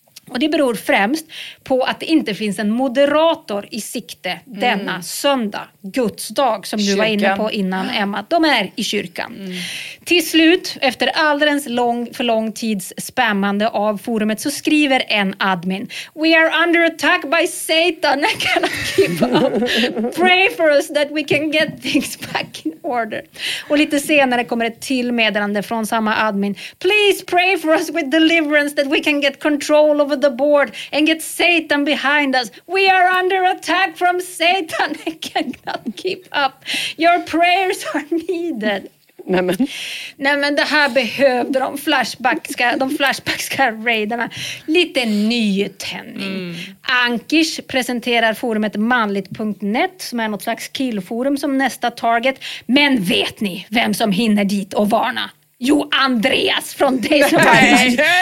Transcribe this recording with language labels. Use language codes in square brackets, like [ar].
[sv] Och det beror främst på att det inte finns en moderator i sikte denna söndag, gudsdag, som kyrkan. Du var inne på innan, Emma. De är i kyrkan. Mm. Till slut, efter alldeles för lång tids spammande av forumet, så skriver en admin: [en] we are under attack by Satan. I cannot keep up. Pray for us that we can get things back in order. [sv] Och lite senare kommer ett till meddelande från samma admin: [en] please pray for us with deliverance that we can get control of the board and get Satan behind us. We are under attack from Satan. I cannot keep up. Your prayers are needed. [sv] Nej men det här behövde de flashbackska raiderna. Lite nytändning. Mm. Ankish presenterar forumet manligt.net som är något slags killforum som nästa target. Men vet ni vem som hinner dit och varna? Jo, Andreas från Days of Our Lives.